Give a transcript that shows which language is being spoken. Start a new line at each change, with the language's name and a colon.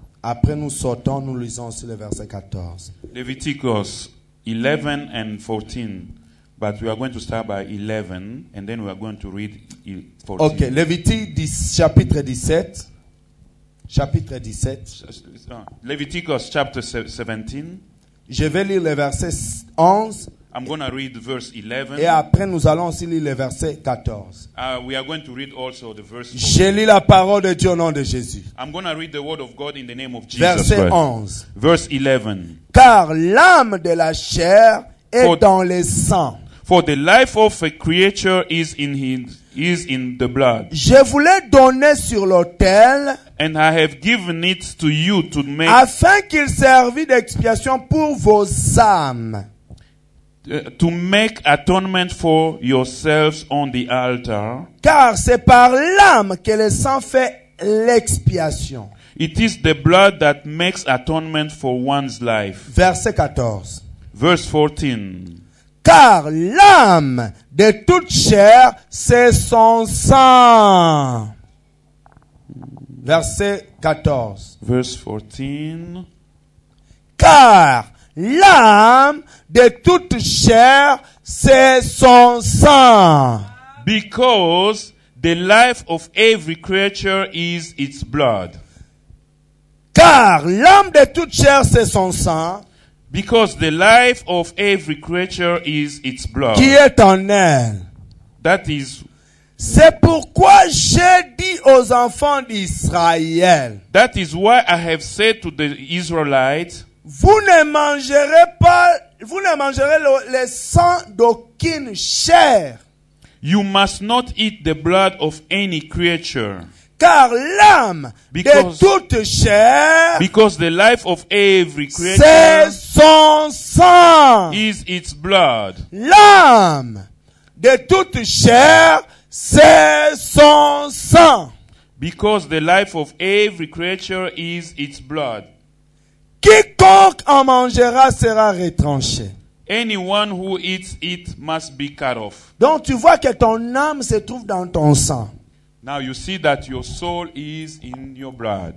French: Après, nous sortons, nous lisons aussi le verset 14.
English: Leviticus 11 and 14. But we are going to start by 11 and then we are going to read 14.
French: Okay, Leviticus chapitre 17. Chapitre 17.
English: Leviticus chapter 17.
French: Je vais lire le verset 11.
English: I'm going to read verse 11.
French: Et après, nous allons aussi lire le verset 14.
English: We are going to read also the verse 14.
French: Je lis la parole de Dieu au nom de Jésus.
English: I'm going to read the word of God in the name of Jesus.
French: Verset 11.
English: Verse 11.
French: Car l'âme de la chair est dans le sang.
English: For the life of a creature is in the blood.
French: Je voulais donner sur l'autel.
English: And I have given it to you to make.
French: Afin qu'il servît d'expiation pour vos âmes.
English: To make atonement for yourselves on the altar.
French: Car c'est par l'âme que le sang fait l'expiation.
English: It is the blood that makes atonement for one's life.
French: Verset 14.
English: Verse 14.
French: Car l'âme de toute chair, c'est son sang. Verset 14.
English: Verse 14.
French: Car l'âme de toute chair, c'est son sang.
English: Because the life of every creature is its blood.
French: Car l'âme de toute chair, c'est son sang.
English: Because the life of every creature is its blood.
French: Qui est en elle.
English: That is.
French: C'est pourquoi j'ai dit aux enfants d'Israël.
English: That is why I have said to the Israelites.
French: Vous ne mangerez le sang d'aucune chair.
English: You must not eat the blood of any creature.
French: Car l'âme de toute chair,
English: because the life of every creature,
French: c'est son sang,
English: is its blood.
French: L'âme de toute chair, c'est son sang,
English: because the life of every creature is its blood.
French: Quiconque en mangera sera retranché.
English: Anyone who eats it must be cut off.
French: Donc tu vois que ton âme se trouve dans ton sang.
English: Now you see that your soul is in your blood.